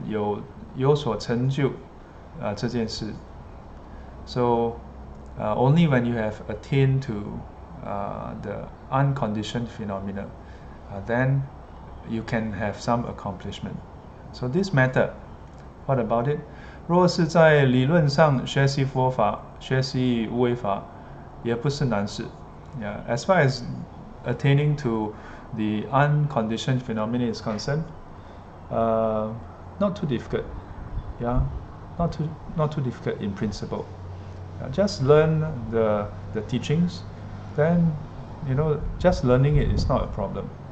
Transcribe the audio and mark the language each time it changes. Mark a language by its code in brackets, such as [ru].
[zh] 见到无为法，才能有所成就。这件事. [en] So only when you have attained to the unconditioned phenomena, then you can have some accomplishment. So this matter, what about it? [zh] 若是在理论上学习佛法，学习无为法, 也不是难事. [en] Yeah, as far as attaining to the unconditioned phenomena is concerned, not too difficult. Yeah. Not too difficult in principle. Just learn the teachings, then you know, just learning it is not a problem.